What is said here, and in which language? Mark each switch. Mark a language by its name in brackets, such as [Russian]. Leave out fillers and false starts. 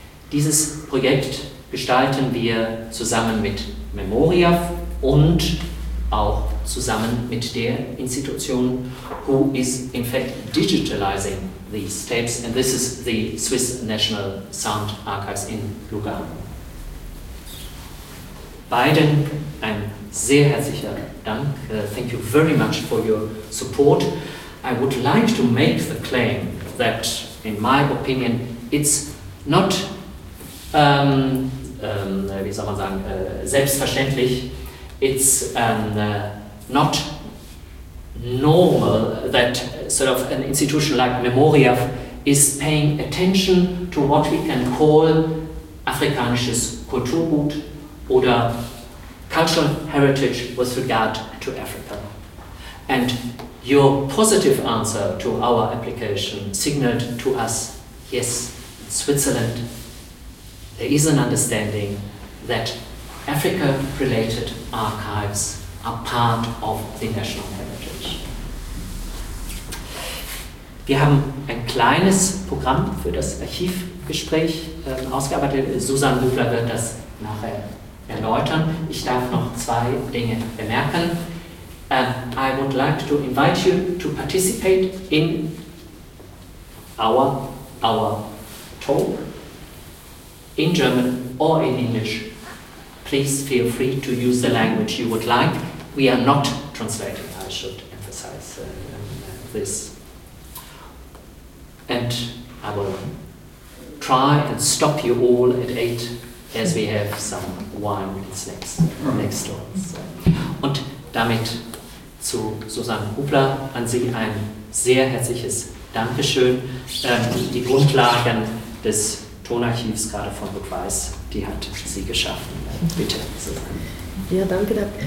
[German] Dieses Projekt gestalten wir zusammen mit Memoria und auch zusammen mit der Institution, [English] who is in fact digitalizing these tapes, and this is the Swiss National Sound Archives in Lugano. [German] Beiden ein sehr herzlicher Dank. [English] Thank you very much for your support. I would like to make the claim that, in my opinion, it's not, [German] wie soll man sagen, selbstverständlich, [English] it's not normal that sort of an institution like Memoria is paying attention to what we can call [German] afrikanisches Kulturgut oder [English] cultural heritage with regard to Africa. And your positive answer to our application signaled to us, yes, Switzerland, there is an understanding that Africa-related archives are part of the national heritage. [German] Wir haben ein kleines Programm für das Archivgespräch ausgearbeitet. Susan Löbler wird das nachher erläutern. Ich darf noch zwei Dinge bemerken. [English] I would like to invite you to participate in our talk in German or in English. Please feel free to use the language you would like. We are not translating, I should emphasize this. And I will try and stop you all at 8, as we have some wine and snacks next door. [German] Und damit zu Susanne Hubler, an Sie ein sehr herzliches Dankeschön. Die Grundlagen des Tonarchivs, gerade von Burg Weiß, die hat sie geschaffen. Bitte, Susanne. Ja, danke.